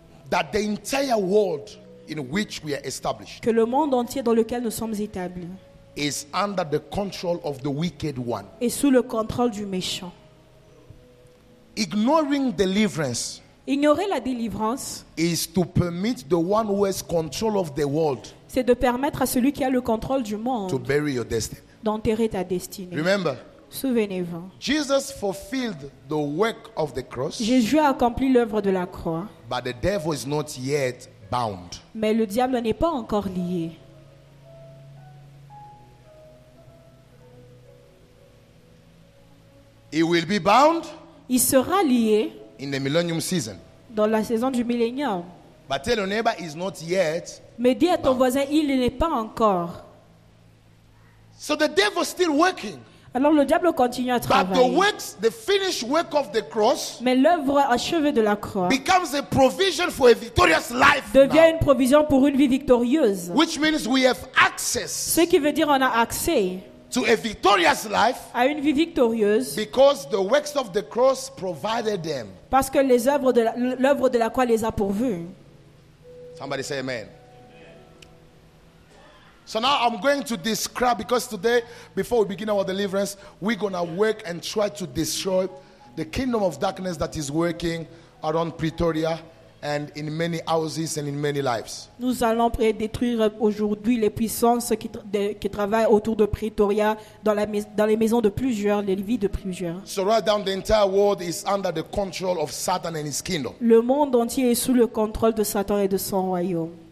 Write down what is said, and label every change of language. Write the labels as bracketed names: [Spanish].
[English] That the entire world in which we are established. [French] Que le monde entier dans lequel nous sommes établis. [English] Is under the control of the wicked one. [French] Et sous le contrôle du méchant. [English] Ignoring deliverance. [French] Ignorer la délivrance [English] is to permit the one who has control of the world. [French] C'est de permettre à celui qui a le contrôle du monde. [English] To bury your destiny. [French] D'enterrer ta destinée. [English] Remember. [French] Souvenez-vous. [English] Jesus fulfilled the work of the cross. [French] Jésus a accompli l'œuvre de la croix. [English] But the devil is not yet bound. [French] Mais le diable n'est pas encore lié. [English] He will be bound. [French] Il sera lié. [English] In the millennium season. [French] Dans la saison du millénium. [English] But tell your neighbor is not yet. [French] Mais dis à ton voisin, il n'est pas encore. [English] So the devil is still working. [French] Alors le diable continue à travailler. [English] But the works, the finished work of the cross. [French] Mais l'œuvre achevée de la croix. [English] Becomes a provision for a victorious life. [French] Devient [English] now. [French] Une provision pour une vie victorieuse. [English] Which means we have access. [French] Ce qui veut dire on a accès. [English] To a victorious life, [French] à une vie victorieuse, [English] because the works of the cross provided them. [French] Parce que les œuvres de l'œuvre de la croix les a pourvus. [English] Somebody say amen. So now I'm going to describe, because today, before we begin our deliverance, we're gonna work and try to destroy the kingdom of darkness that is working around Pretoria and in many houses and in many lives. [French] Nous allons détruire aujourd'hui les puissances qui travaillent autour de Pretoria dans les maisons de plusieurs, les vies de plusieurs. [English] So right down, the entire world is under the control of Satan and his kingdom. [French] Le monde entier est sous le contrôle de Satan et de son royaume.